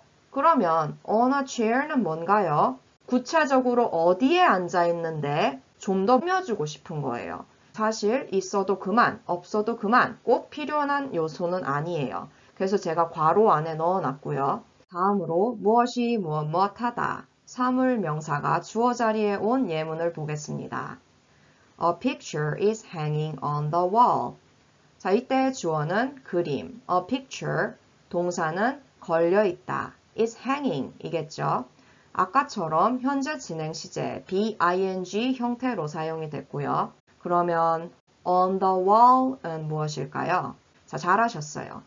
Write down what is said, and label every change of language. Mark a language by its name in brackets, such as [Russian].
[Korean] 그러면 on a chair는 뭔가요? 구체적으로 어디에 앉아 있는데 좀더 꾸며주고 싶은 거예요. 사실 있어도 그만, 없어도 그만, 꼭 필요한 요소는 아니에요. 그래서 제가 괄호 안에 넣어놨고요. 다음으로 무엇이 무엇 무엇 하다, 사물 명사가 주어 자리에 온 예문을 보겠습니다. [English] A picture is hanging on the wall. [Korean] 자, 이때 주어는 그림, a picture, 동사는 걸려 있다, [English] is hanging [Korean] 이겠죠. 아까처럼 현재 진행 시제, be ing 형태로 사용이 됐고요. 그러면 on the wall은 무엇일까요? 자, 잘하셨어요.